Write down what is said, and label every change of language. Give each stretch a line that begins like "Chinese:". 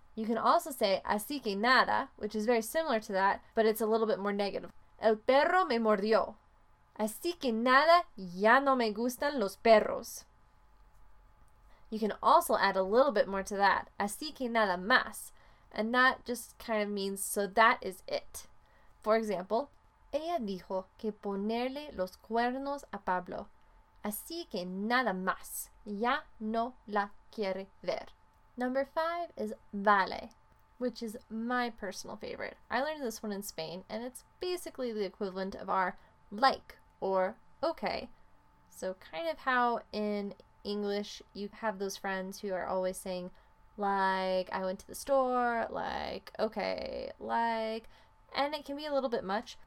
English: You can also say, así que nada, which is very similar to that, but it's a little bit more negative.
Spanish: El perro me mordió. Así que nada, ya no me gustan los perros.
English: You can also add a little bit more to that.
Spanish: Así que nada más.
English: And that just kind of means, so that is it. For example,
Spanish: ella dijo que ponerle los cuernos a Pablo. Así que nada más. Ya no la quiere ver.
English: Number 5 is vale, which is my personal favorite. I learned this one in Spain, and it's basically the equivalent of our like or okay. So kind of how in English you have those friends who are always saying, like, I went to the store, like, okay, like, and it can be a little bit much.